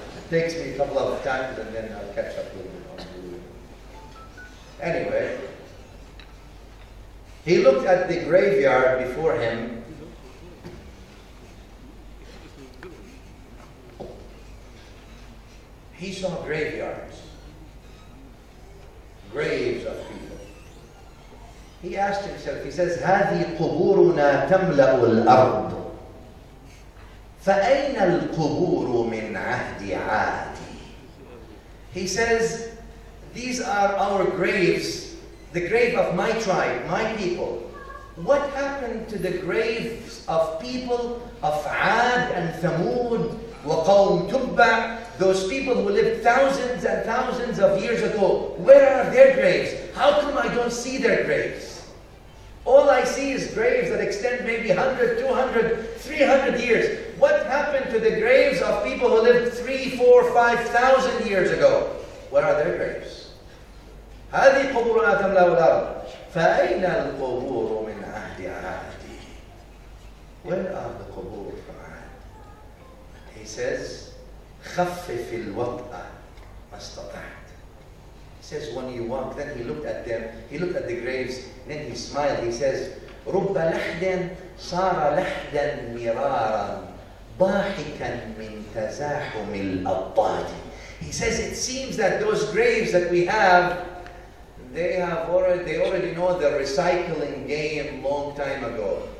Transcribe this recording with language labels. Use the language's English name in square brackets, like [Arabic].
[English] Takes me a couple of times and then I'll catch up a little bit. Anyway, he looked at the graveyard before him. He saw graveyards, graves of people. He asked himself, he says, [Arabic] هَذِي قُبُورُنَا تَمْلَأُ الْأَرْضُ فَأَيْنَ الْقُبُورُ مِنْ عَهْدِ عَادِ. [English] He says, these are our graves, the grave of my tribe, my people. What happened to the graves of people of Aad and Thamud, [Arabic] وَقَوْمْ تُبَّعْ, [English] those people who lived thousands and thousands of years ago, where are their graves? How come I don't see their graves? All I see is graves that extend maybe 100, 200, 300 years. What happened to the graves of people who lived 3, 4, 5,000 years ago? Where are their graves? [Arabic] هَذِي قُبُورُنَا تَمْلَأُ الْأَرْضُ فَأَيْنَ الْقُبُورُ مِنْ عَهْدِ عَهْدِ. [English] Where are the qubur from Aad? He says, [Arabic] خفف الوطأ ما استطعت. [English] He says, when you walk, then he looked at them, he looked at the graves, then he smiled, he says, [Arabic] رُبَّ لَحْدٍ صَارَ لَحْدًا مِرَارًا ضَاحِكًا مِنْ تَزَاحُمِ الْأَطَّادِ. [English] He says, it seems that those graves that we have, they already know the recycling game long time ago.